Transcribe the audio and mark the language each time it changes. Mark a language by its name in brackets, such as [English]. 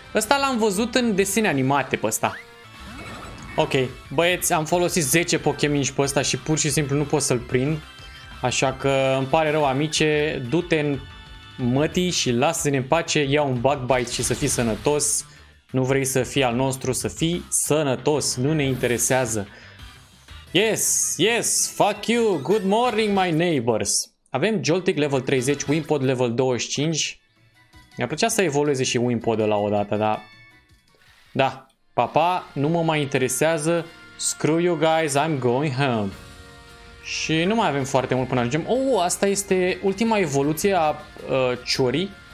[Romanian] Ăsta l-am văzut în desene animate pe ăsta. Ok, băieți, am folosit 10 Pokémon pe ăsta și pur și simplu nu pot să-l prind. Așa că îmi pare rău, amice, du-te în mătii și lasă-ne în pace, ia un bug bite și să fii sănătos. Nu vrei să fii al nostru, să fii sănătos, nu ne interesează. [English] Yes, yes, fuck you, good morning my neighbors. [Romanian] Avem Joltik level 30, Wimpod level 25. Mi-ar plăcea să evolueze și Wimpod ăla odată, dar... Da, papa, nu mă mai interesează, [English] screw you guys, I'm going home. [Romanian] Și nu mai avem foarte mult până ajungem. Oh, asta este ultima evoluție a Chori.